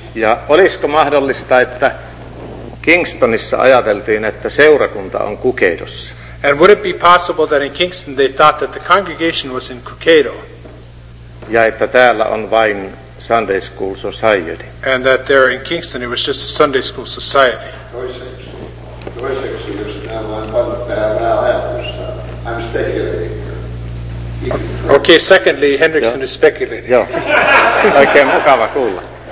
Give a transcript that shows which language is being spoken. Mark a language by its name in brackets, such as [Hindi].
[Finnish] Ja olisiko mahdollista, että Kingstonissa ajateltiin, että seurakunta on Kukedossa. [English] And would it be possible that in Kingston they thought that the congregation was in Kukedo? [Finnish] Ja että täällä on vain Sunday School Society. [English] And that there in Kingston it was just a Sunday School Society. [Finnish] Toiseksi, jos täällä on paljon päällä ajatusta, [English] I'm speculating. Okay, secondly, Henriksson is speculating. [Finnish] Joo, oikein mukava kuulla.